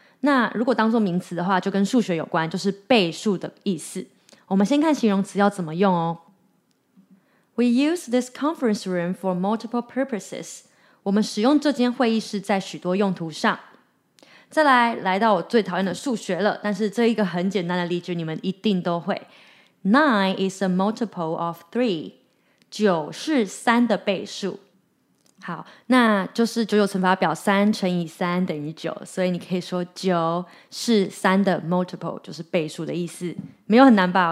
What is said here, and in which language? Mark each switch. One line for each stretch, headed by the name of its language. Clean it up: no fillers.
Chinese: 那如果当作名词的话，就跟数学有关，就是倍数的意思。我们先看形容词要怎么用哦。
English: We use this conference room for multiple purposes.
Chinese: 我们使用这间会议室在许多用途上。再来，来到我最讨厌的数学了，但是这一个很简单的例句你们一定都会。
English: 9 is a multiple of 3.
Chinese: 9是3的倍数。好，那就是九九乘法表，3乘以3等于9，所以你可以说9是3的 multiple， 就是倍数的意思。没有很难吧？